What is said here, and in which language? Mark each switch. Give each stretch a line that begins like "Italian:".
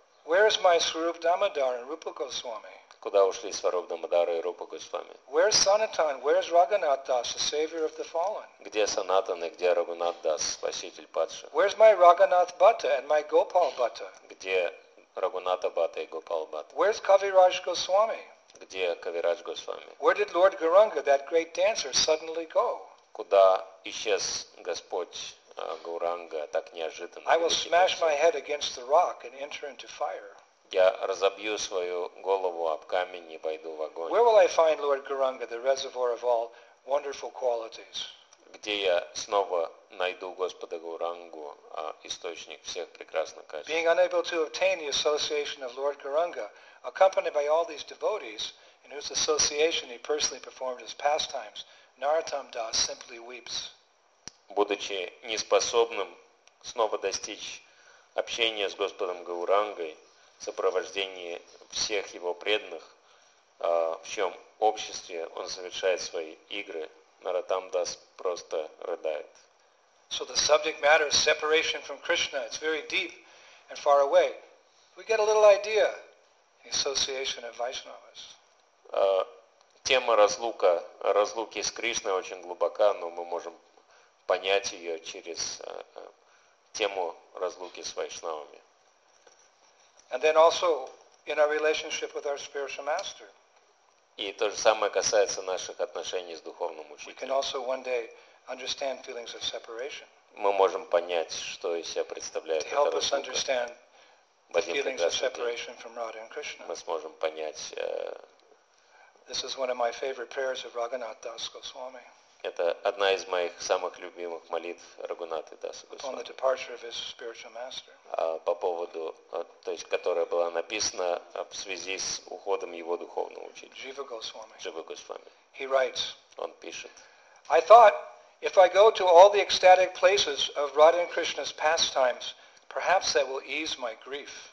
English: Where is my Swarup Damodar and Rupa Goswami?
Russian: Куда ушли Сваруп Дамодара и Рупа Госвами?
English: Where is Sanatan? Where is Raghunath Das, the savior of the fallen?
Russian: Где Санатан и где Рагунат Дас, спаситель падших?
English: Where is my Raghunath Bhatta and my Gopal Bhatta?
Russian: Где Рагуната Бхатта и Гопал Бхатта?
English: Where is Kaviraj Goswami?
Russian: Где Кавирадж Госвами?
English: Where did Lord Gauranga, that great dancer, suddenly go?
Russian: Куда исчез Господь Гауранга так неожиданно?
English: I will smash my head against the rock and enter into fire.
Russian: Я разобью свою голову об камень и войду в огонь.
English: Where will I find Lord Gauranga, the reservoir of all wonderful qualities?
Russian: Где я снова найду Господа Гаурангу, источник всех прекрасных качеств?
English: Being unable to obtain the association of Lord Gauranga, accompanied by all these devotees, in whose association he personally performed his pastimes, Narottam Das simply weeps.
Russian: Будучи неспособным снова достичь общения с Господом Гаурангой, сопровождение всех его преданных, в чем обществе он совершает свои игры, Narottam Das просто рыдает.
English: So the subject matter is separation from Krishna. It's very deep and far away. We get a little idea, the association of Vaishnavas.
Russian: Тема разлуки с Кришной очень глубока, но мы можем понять ее через тему разлуки с Вайшнавами.
English: And then also in our relationship with our spiritual master.
Russian: И то же самое касается наших отношений с духовным учителем.
English: We can also one day understand feelings of separation.
Russian: Мы можем понять, что из себя представляет эта разлука.
English: To help us understand the feelings of separation from Radha and Krishna.
Russian: Мы сможем понять.
English: This is one of my favorite prayers of Raghunath Das Goswami.
Russian: Это одна из моих самых любимых молитв Рагунаты Даса Госвами.
English: On the departure of his spiritual master.
Russian: По поводу, то есть, которая была написана в связи с уходом его духовного учителя.
English: Jiva Goswami. Jiva Goswami. He writes.
Russian: Он пишет.
English: I thought, if I go to all the ecstatic places of Radha and Krishna's pastimes, perhaps that will ease my grief.